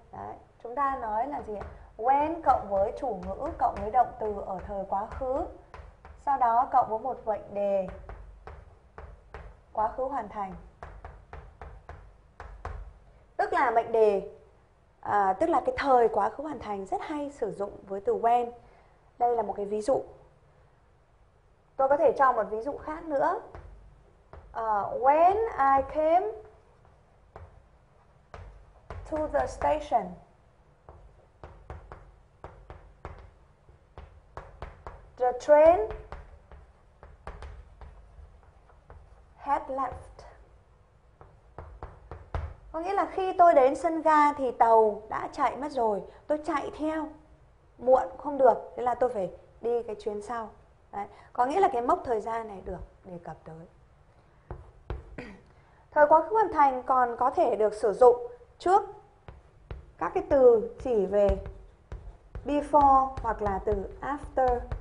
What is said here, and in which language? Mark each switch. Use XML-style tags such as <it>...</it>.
<vi>Đấy, chúng ta nói là gì ạ? When cộng với chủ ngữ cộng với động từ ở thời quá khứ, sau đó cộng với một mệnh đề quá khứ hoàn thành, tức là mệnh đề, tức là cái thời quá khứ hoàn thành rất hay sử dụng với từ when. Đây là một cái ví dụ. Tôi có thể cho một ví dụ khác nữa.</vi> <en>When I came to the station, the train had left.</en> <vi>Có nghĩa là khi tôi đến sân ga thì tàu đã chạy mất rồi, tôi chạy theo muộn không được, thế là tôi phải đi cái chuyến sau. Đấy. Có nghĩa là cái mốc thời gian này được đề cập tới. Thời quá khứ hoàn thành còn có thể được sử dụng trước các cái từ chỉ về before hoặc là từ after.</vi>